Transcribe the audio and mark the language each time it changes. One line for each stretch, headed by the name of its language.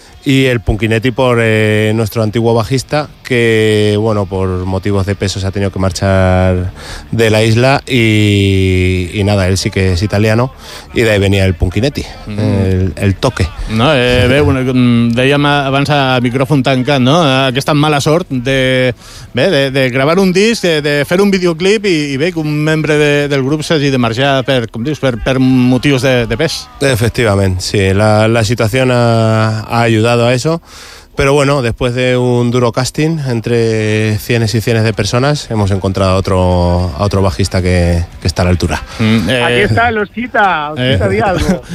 Spanish: Y el Punchinetti por nuestro antiguo bajista, que, bueno, por motivos de peso se ha tenido que marchar de la isla y nada, él sí que es italiano y de ahí venía el Punchinetti, el toque.
Catalan: No, bé, bueno, dèiem abans a micròfon tancat, no? Aquesta mala sort de gravar un disc, de fer un videoclip i bé, que un membre del grup s'hagi de marxar per, com dius, per motius de pes. Efectivament, sí, la situació
Spanish: ha ayudado a eso, pero bueno, después de un duro casting entre cientos y cientos de personas, hemos encontrado a otro bajista que está a la altura. Aquí está el Osquita, di algo.